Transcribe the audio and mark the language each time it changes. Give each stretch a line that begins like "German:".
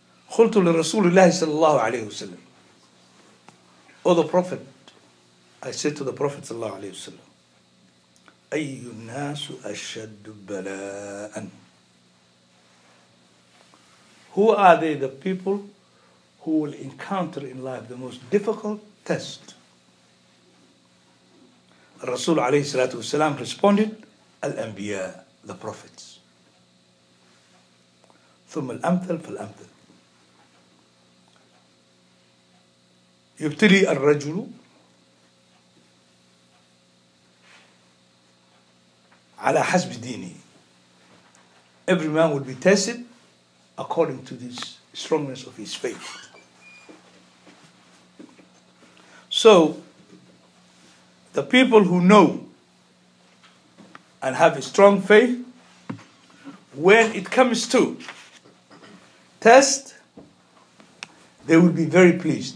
Arabic: قُلْتُ لِرَسُولِ اللَّهِ صَلَى اللَّهُ عَلَيْهُ وَسَلَّمُ
English: O the Prophet, I said to the Prophet
Arabic: صلى الله عليه وسلم, أَيُّ النَّاسُ أَشَّدُّ بَلَاءً
English: Who are they, the people who will encounter in life the most difficult test?
Arabic: Rasul عليه الصلاة والسلام
English: responded,
Arabic: الأنبياء.
English: The prophets.
Arabic: ثم الأمثل فالأمثل. يبتلي الرجل على حسب دينه.
English: Every man will be tested according to this strongness of his faith. So, the people who know and have a strong faith, when it comes to test, they will be very pleased.